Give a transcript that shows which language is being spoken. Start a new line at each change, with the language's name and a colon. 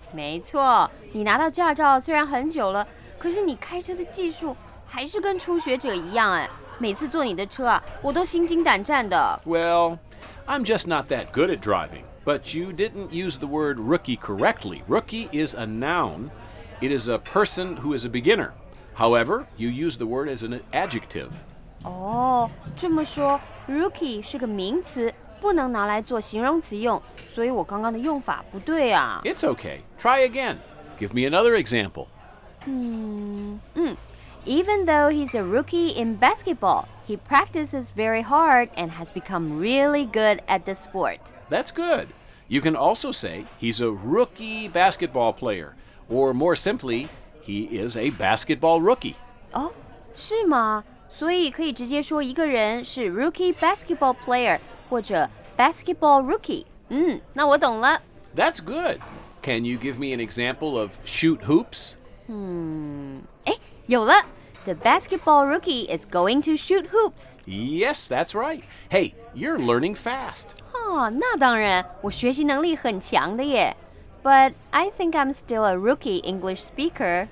Chinese: 没错，你拿到驾照虽然很久了，可是你开车的技术还是跟初学者一样哎。每次坐你的车啊，我都心惊胆战的。
English: Well, I'm just not that good at driving. But you didn't use the word rookie correctly. Rookie is a noun. It is a person who is a beginner. However, you use the word as an adjective.
Chinese: 哦，这么说 ，rookie 是个名词，不能拿来做形容词用。所以我刚刚的用法不对啊。
English: It's okay. Try again. Give me another example. Even though he's a rookie in basketball, he practices very hard and has become really good at the sport. That's good. You can also say he's a rookie basketball player, or more simply, he is a basketball rookie.
Chinese: 哦，是吗？所以可以直接说一个人是
English: rookie basketball player
Chinese: 或者 basketball rookie。那我懂了。
English: That's good. Can you give me an example of shoot hoops?
Chinese: 有了。
English: The basketball rookie is going to shoot hoops. Yes, that's right. Hey, you're learning fast.
Chinese: 哦，那当然，我学习能力很强的耶。
English: But I think I'm still a rookie English speaker.